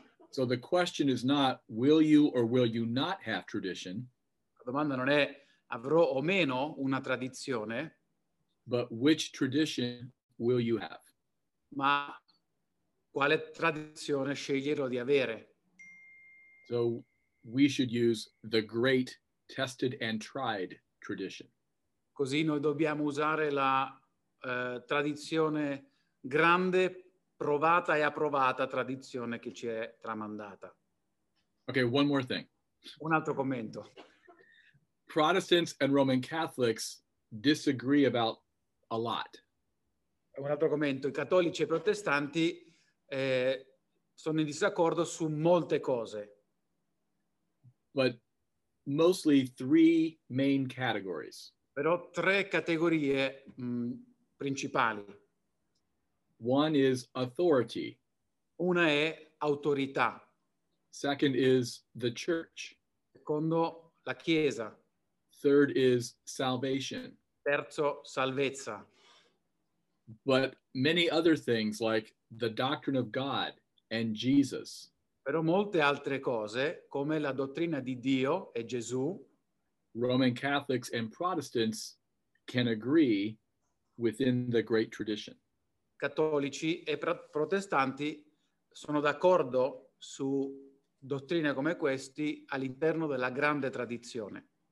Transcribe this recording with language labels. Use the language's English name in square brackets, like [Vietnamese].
[English] So the question is not will you or will you not have tradition? [Italian] La domanda non è avrò o meno una tradizione, [English] but which tradition will you have? [Italian] Ma quale tradizione sceglierò di avere? [English] So we should use the great tested and tried tradition. [Italian] Così noi dobbiamo usare la tradizione grande, provata e approvata tradizione che ci è tramandata. [English] Okay, one more thing. [Italian] Un altro commento. [English] Protestants and Roman Catholics disagree about a lot. [Italian] Un altro commento. I cattolici e i protestanti sono in disaccordo su molte cose. [English] But mostly three main categories. [Italian] Però tre categorie principali. [English] One is authority. [Italian] Una è autorità. [English] Second is the church. [Italian] Secondo, la chiesa. [English] Third is salvation. [Italian] Terzo, salvezza. [English] But many other things like the doctrine of God and Jesus. [Italian] Però molte altre cose come la dottrina di Dio e Gesù. [English] Roman Catholics and Protestants can agree within the great tradition. [Italian] Cattolici e protestanti sono d'accordo su dottrine come questi all'interno della grande tradizione.